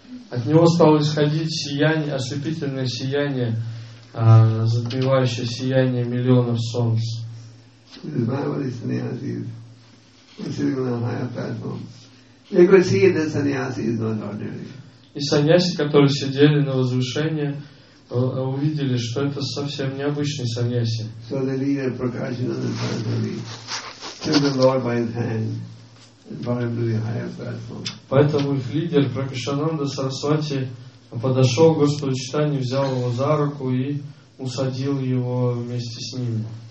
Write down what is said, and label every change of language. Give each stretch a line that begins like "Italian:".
Russian: От него стало исходить сияние, ослепительное сияние, затмевающее сияние миллионов солнц.
English: They could see that sannyasi is not ordinary.
Russian: И саньяси, которые сидели на возвышении, увидели, что это совсем необычный саньяси.
English: So the leader Prakashananda Saraswati took the Lord by his hand and brought him to the higher platform.
Russian: Поэтому их лидер Прокашананда Сарасвати подошел к Господу Читанию, взял его за руку и усадил его вместе с ним.